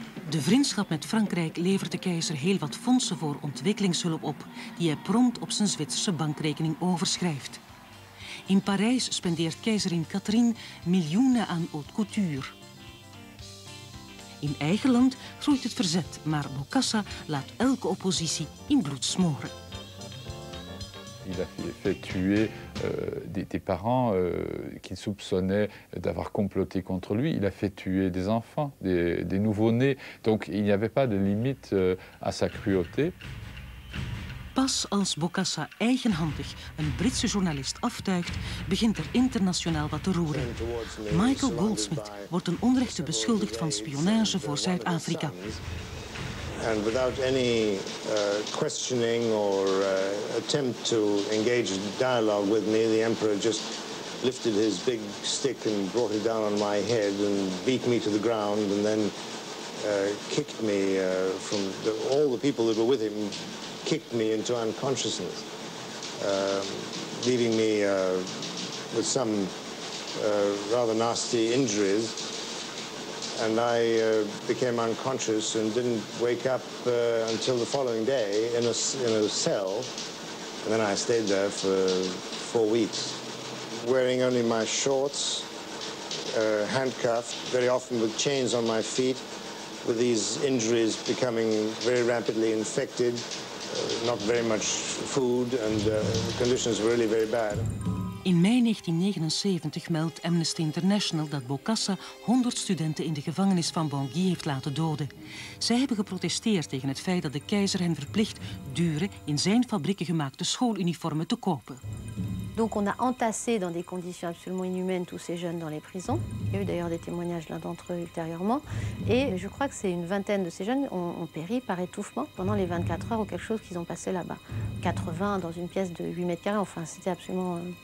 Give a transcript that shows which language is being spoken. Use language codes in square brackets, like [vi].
[nl] De vriendschap met Frankrijk levert de keizer heel wat fondsen voor ontwikkelingshulp op, die hij prompt op zijn Zwitserse bankrekening overschrijft. In Parijs spendeert keizerin Catherine miljoenen aan haute couture. In eigen land groeit het verzet, maar Bokassa laat elke oppositie in bloed smoren. [fr] Il a fait tuer des parents qu'il soupçonnait d'avoir comploté contre lui. Il a fait tuer des enfants, des nouveau-nés. Donc il n'y avait pas de limite à sa cruauté. [nl] Pas als Bokassa eigenhandig een Britse journalist aftuigt, begint er internationaal wat te roeren. Michael Goldsmith wordt een onrechte beschuldigd van spionage voor Zuid-Afrika. [en] And without any questioning or attempt to engage in dialogue with me, the emperor just lifted his big stick and brought it down on my head and beat me to the ground and then kicked me from the, all the people that were with him kicked me into unconsciousness, leaving me with some rather nasty injuries. And I became unconscious and didn't wake up until the following day in a cell. And then I stayed there for 4 weeks, wearing only my shorts, handcuffed, very often with chains on my feet, with these injuries becoming very rapidly infected, not very much food, and the conditions were really very bad. [nl] In mei 1979 meldt Amnesty International dat Bokassa 100 studenten in de gevangenis van Bangui heeft laten doden. Zij hebben geprotesteerd tegen het feit dat de keizer hen verplicht dure in zijn fabrieken gemaakte schooluniformen te kopen. [fr] Donc on a entassé dans des conditions absolument inhumaines tous ces jeunes dans les prisons. Il y a eu d'ailleurs des témoignages l'un d'entre eux ultérieurement et je crois que c'est une vingtaine de ces jeunes ont péri par étouffement pendant les 24 heures ou quelque chose qu'ils ont passé là-bas. 80 dans une pièce de 8 mètres carrés, enfin c'était absolument...